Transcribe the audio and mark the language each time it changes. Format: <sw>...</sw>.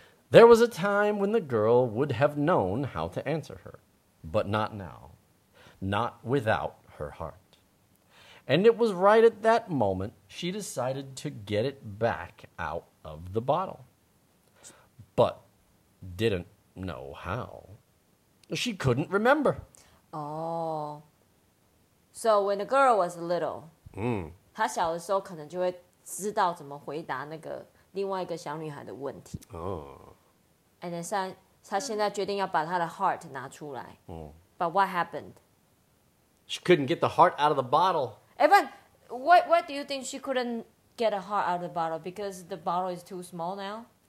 <en>There was a time when the girl would have known how to answer her, but not now. Not without her heart. And it was right at that moment she decided to get it back out of the bottle, but didn't know how. She couldn't remember. Oh. So when the girl was little,</en> <zh>她小的时候可能就会知道怎么回答那个另外一个小女孩的问题。</zh> <en>Oh. And then</en> <zh>她现在决定要把她的 heart 拿出来。</zh> <en>But what happened? She couldn't get the heart out of the bottle. Evan, why do you think she couldn't get a heart out of the bottle? Because the bottle is too small now?</en>